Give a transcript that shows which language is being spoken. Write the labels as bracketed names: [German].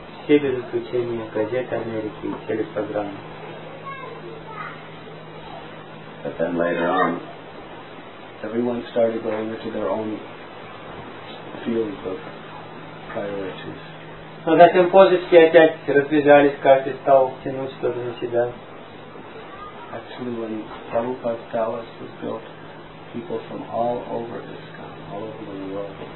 [Russian] Все без исключения газеты Америки и телепрограммы. [English] But then later on, everyone started going into their own field of priorities. [Russian] Но затем позже все опять разбежались, каждый стал тянуть что-то на себя. [English] Actually, when Prabhupada's palace was built, people from all over ISKCON, all over the world,